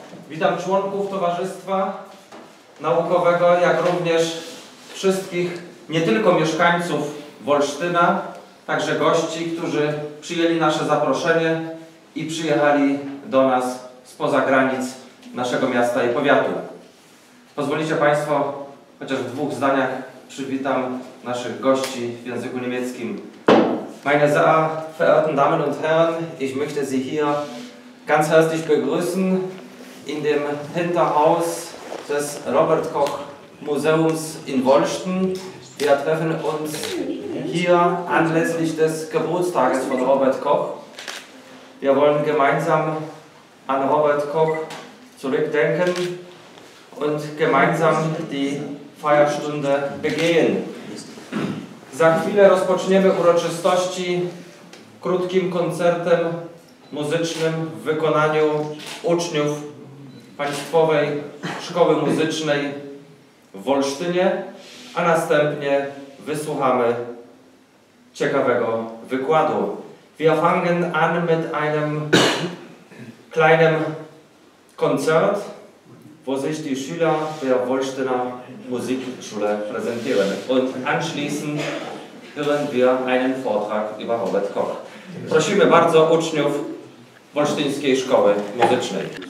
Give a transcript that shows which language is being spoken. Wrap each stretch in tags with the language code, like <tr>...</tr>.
<pl>Witam członków Towarzystwa Naukowego, jak również wszystkich, nie tylko mieszkańców Olsztyna, także gości, którzy przyjęli nasze zaproszenie i przyjechali do nas spoza granic naszego miasta i powiatu. Pozwolicie państwo, chociaż w dwóch zdaniach przywitam naszych gości w języku niemieckim.</pl> <de>Meine sehr verehrten Damen und Herren, ich möchte Sie hier ganz herzlich begrüßen in dem Hinterhaus des Robert Koch Museums in Olsztyn. Wir treffen uns hier anlässlich des Geburtstages von Robert Koch. Wir wollen gemeinsam an Robert Koch zurückdenken und gemeinsam die Feierstunde begehen.</de> <pl>Za chwilę rozpoczniemy uroczystości krótkim koncertem muzycznym w wykonaniu uczniów Państwowej Szkoły Muzycznej w Olsztynie, a następnie wysłuchamy ciekawego wykładu.</pl> <de>Wir fangen an mit einem kleinen Konzert, wo sich die Schüler der Olsztyner Musikschule präsentieren. Und anschließend hören wir einen Vortrag über Robert Koch.</de> <pl>Prosimy bardzo uczniów Olsztyńskiej Szkoły Muzycznej.</pl>